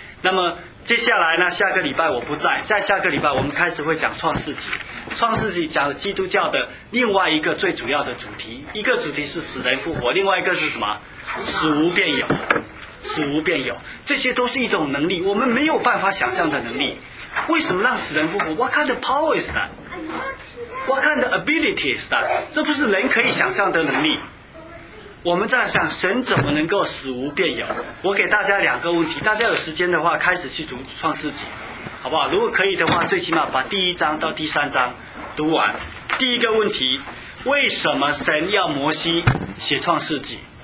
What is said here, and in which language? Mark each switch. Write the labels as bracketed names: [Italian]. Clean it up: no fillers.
[Chinese] 那么接下来呢，下个礼拜我不在，在下个礼拜我们开始会讲创世纪。创世纪讲基督教的另外一个最主要的主题，一个主题是死人复活，另外一个是什么？死无变有。死无变有，这些都是一种能力，我们没有办法想象的能力。为什么让死人复活？ [English] What kind of power is that? What kind of ability is that? [Chinese] 这不是人可以想象的能力。我们在想神怎么能够死无变有。我给大家两个问题，大家有时间的话开始去读创世纪好不好？如果可以的话，最起码把第一章到第三章读完。第一个问题，为什么神要摩西写创世纪？